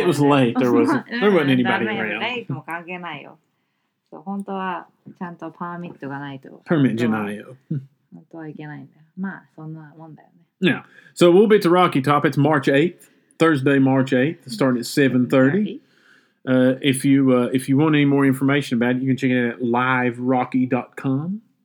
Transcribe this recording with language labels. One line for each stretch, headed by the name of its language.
English: But it was late, there wasn't anybody around.
Japanese: レイクも関係ないよ。そう、本当はちゃんとパーミットがないと。 Permit じゃないよ。本当はいけないんだよ。まあ、そんなもんだよね。
English: Yeah, so we'll be at the Rocky Top. It's March 8th, Thursday, March 8th, starting at 7:30. If you want any more information about it, you can check it out at liverocky.com.